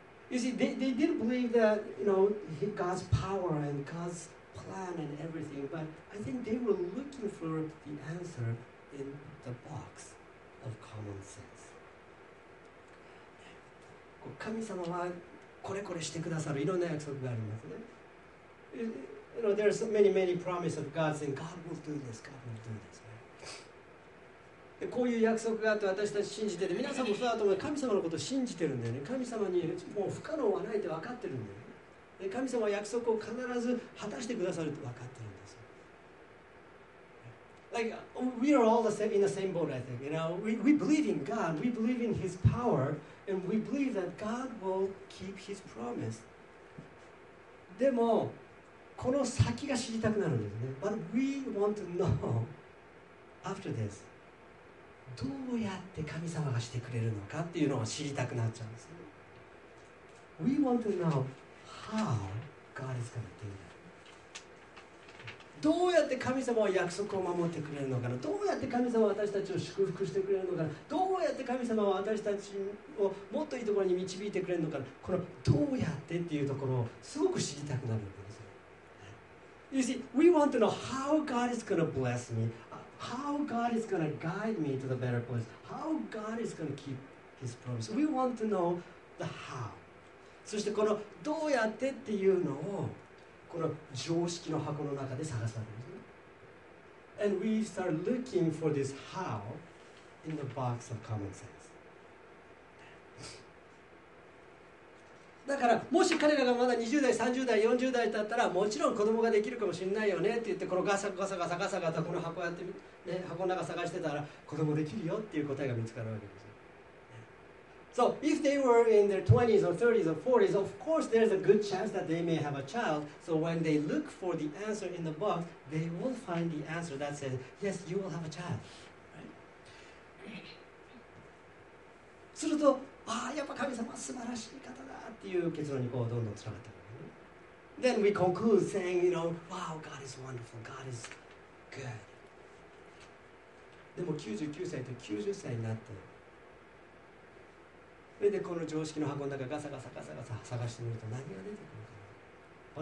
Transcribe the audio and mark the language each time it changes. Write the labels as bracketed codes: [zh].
[en] You see, they didn't believe that, you know, God's power and God's plan and everything, but I think they were looking for the answer in the box of common sense. [ja] 神様はこれこれしてくださるいろんな約束がありますね。 [en] You know, there are so many, many promises of God saying, God will do this, God will do this. [ja] こういう約束があって私たち信じてて、皆さんもそうだと思う。神様のことを信じてるんだよね。神様にもう不可能はないって分かってるんだよね。神様は約束を必ず果たしてくださると分かってるんです。 [en] Like we are all the same in the same boat, I think. You know, we believe in God, we believe in His power, and we believe that God will keep His promise. [ja] でもこの先が知りたくなるんですね。 [en] But we want to know after this. [ja] どうやって神様がしてくれるのかっていうのを知りたくなっちゃうんですね。 [en] We want to know how God is going to do that. [ja] どうやって神様は約束を守ってくれるのかな。どうやって神様は私たちを祝福してくれるのかな。どうやって神様は私たちをもっといいところに導いてくれるのかな。このどうやってっていうところをすごく知りたくなるんですよ。 [en] You see, we want to know how God is going to bless me. How God is going to guide me to the better place. How God is going to keep His promise. We want to know the how. [ja] そしてこのどうやってっていうのをこの常識の箱の中で探すわけですね。 [en] And we start looking for this how in the box of common sense. [ja] だからもし彼らがまだ20代、30代、40代だったらもちろん子供ができるかもしれないよねって言ってこのガサガサガサガサガサこの箱やってみて。ね、箱の中探してたら子供できるよっていう答えが見つかるわけですよ。 [en] So if they were in their 20s or 30s or 40s, of course there's a good chance that they may have a child. So when they look for the answer in the box, they will find the answer that says, yes, you will have a child. Right? [ja] すると、ああ、やっぱ神様は素晴らしい方だっていう結論にこうどんどんつながってくる。 [en] Then we conclude saying, you know, wow, God is wonderful, God is good. [ja] でも99歳と90歳になって、それでこの常識の箱の中ガサガサガサガサ探してみると何が出てくるか。